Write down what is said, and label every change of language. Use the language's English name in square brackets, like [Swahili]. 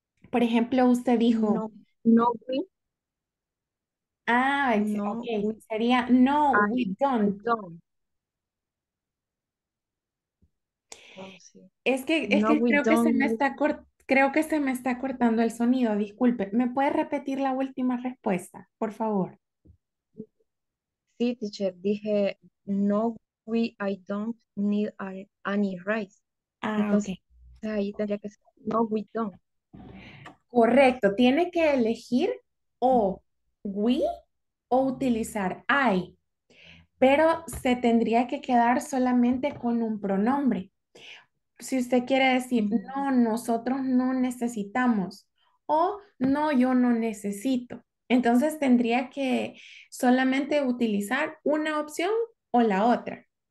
[Spanish] Por ejemplo, usted dijo creo que se me está cortando el sonido, disculpe. ¿Me puede repetir la última respuesta, por favor? Sí, teacher, dije [English] I don't need any rice. [Spanish] Entonces, ahí tendría que ser no, [English] we don't. [Spanish] Correcto, tiene que elegir o we o utilizar I. pero se tendría que quedar solamente con un pronombre. Si usted quiere decir, no, nosotros no necesitamos, o no, yo no necesito, entonces tendría que solamente utilizar una opción o la otra.